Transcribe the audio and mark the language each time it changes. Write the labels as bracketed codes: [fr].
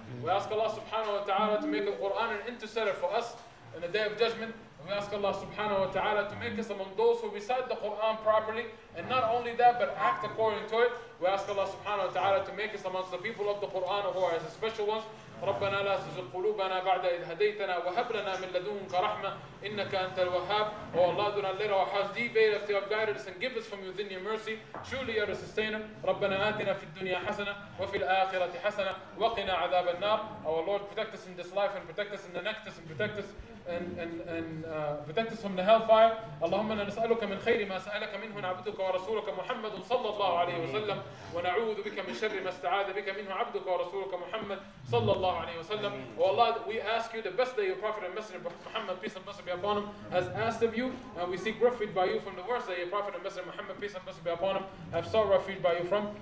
[en] We ask Allah subhanahu wa ta'ala to make the Quran an intercessor for us in the day of judgment. And we ask Allah subhanahu wa ta'ala to make us among those who recite the Quran properly. And not only that, but act according to it. We ask Allah subhanahu wa ta'ala to make us amongst the people of the Quran who are the special ones. [ar] ربنا لا تزغ قلوبنا بعد إذ هديتنا وهب لنا من لدنك رحمة إنك أنت الوهاب. [en] Oh Allah, do not let our hearts deviate after you have guided us and give us from within your mercy. Truly you are the sustainer. [ar] ربنا آتنا في الدنيا حسنة وفي الآخرة حسنة وقنا عذاب النار. [en] Our Lord, protect us in this life and protect us in the next and protect us from the hellfire. [ar] اللهم نسألك من خير ما سألك منه عبدك ورسولك محمد صلى الله عليه وسلم ونعوذ بك من شر ما استعاذ بك منه عبدك ورسولك محمد صلى الله عليه وسلم. [en] Oh Allah, we ask you the best that your Prophet and Messenger Muhammad, peace and blessings be upon him, has asked of you, and we seek refuge by you from the worst that your Prophet and Messenger Muhammad, peace and blessings be upon him, have sought refuge by you from.